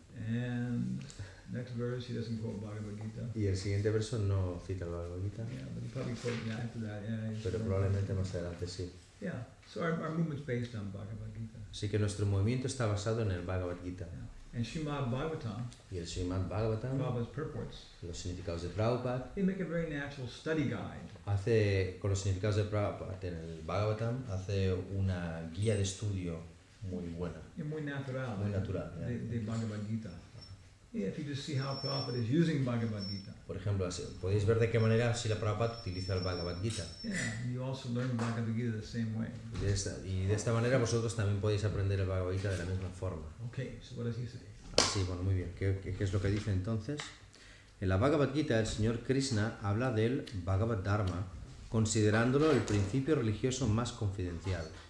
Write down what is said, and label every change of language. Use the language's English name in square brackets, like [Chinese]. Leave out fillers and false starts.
[English] And next verse he doesn't quote Bhagavad Gita. [Spanish] Y el siguiente verso no cita el Bhagavad Gita. [English] Yeah, but he probably quotes after that. Yeah, [Spanish] pero probablemente más adelante sí. [English] Yeah, so our movement is based on Bhagavad Gita. [Spanish] Así que nuestro movimiento está basado en el Bhagavad Gita. [English] Yeah. And Srimad Bhagavatam, [Spanish] y el Srimad Bhagavatam, [English] Prabhupada's purports, [Spanish] los significados de Prabhupada, [English] they make a very natural study guide. [Spanish] Hace, con los significados de Prabhupada en el Bhagavatam, hace una guía de estudio muy buena. Yeah, muy natural. Muy natural. [English] De Bhagavad Gita. Yeah, if you just see how Prabhupada is using Bhagavad Gita. [Spanish] Por ejemplo, podéis ver de qué manera si la Prabhupada utiliza el Bhagavad Gita. [English] Yeah, you also learn Bhagavad Gita the same way. [Spanish] Y de esta manera vosotros también podéis aprender el Bhagavad Gita de la misma forma. [English] Okay, so what does he say? [Spanish] Ah, sí, bueno, muy bien. ¿Qué es lo que dice entonces? En la Bhagavad Gita el señor Krishna habla del Bhagavad Dharma, considerándolo el principio religioso más confidencial.